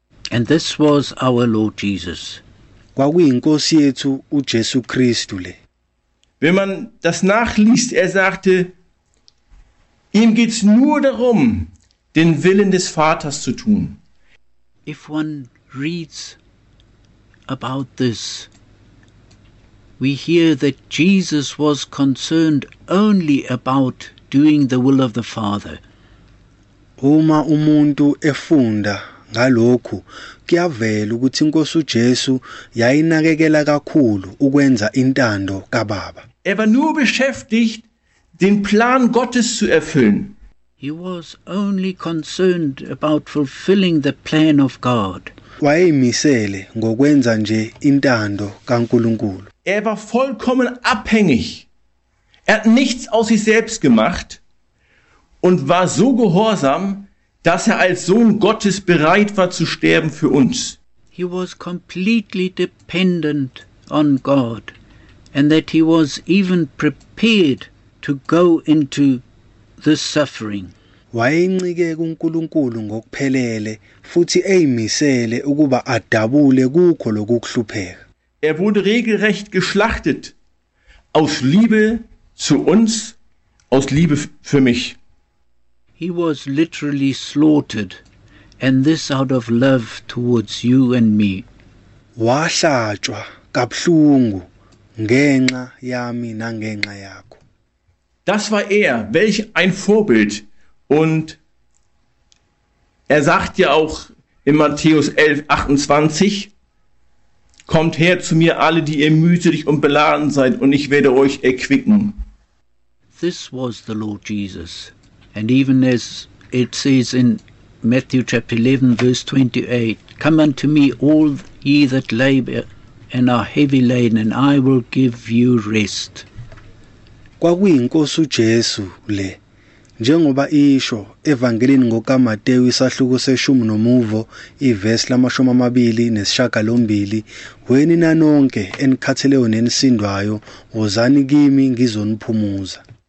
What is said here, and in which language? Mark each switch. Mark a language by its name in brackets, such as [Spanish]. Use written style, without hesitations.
[English] And this was our Lord Jesus. [Zulu] Kwakuyinkosi yethu uJesu Kristu le. [German] Wenn man das nachliest, er sagte, ihm geht's nur darum, den Willen des Vaters zu tun. [English] If one reads about this, we hear that Jesus was concerned only about doing the will of the Father. [Zulu] Uma umuntu efunda ngalokhu, kuyavela ukuthi inkosi uJesu yayinakekela kakhulu ukwenza intando kaBaba. [German] Er war nur beschäftigt, den Plan Gottes zu erfüllen. [English] He was only concerned about fulfilling the plan of God. [Zulu] Wayeyimisele ngokwenza nje intando kaNkulunkulu. [German] Er war vollkommen abhängig. Er hat nichts aus sich selbst gemacht und war so gehorsam, dass er als Sohn Gottes bereit war zu sterben für uns. [English] He was completely dependent on God and that he was even prepared to go into this suffering. [Zulu] Wayencike kuNkulunkulu ngokuphelele futhi eyimisele ukuba adabule kukho lokukhlupheka. [German] Er wurde regelrecht geschlachtet aus Liebe zu uns, aus Liebe für mich. [English] He was literally slaughtered and this out of love towards you and me. [Zulu] Wahlatshwa kabuhlungu ngenxa yami nangenxa yakho. [German] Das war er, welch ein Vorbild. Und er sagt ja auch in Matthäus 11, 28, kommt her zu mir alle, die ihr mühselig und beladen seid, und ich werde euch erquicken. [English] This was the Lord Jesus. And even as it says in Matthew chapter 11, verse 28, come unto me, all ye that labor and are heavy laden, and I will give you rest. [Zulu] Kwakuyinkosi uJesu le, njengoba isho evangelini ngokaMateyu isahluko seshumi nomuvo ivesi lamashumi amabili nesishagalombili, weni nanonke enikhatheleyo nenisindwayo, wozani kimi ngizoniphumuza.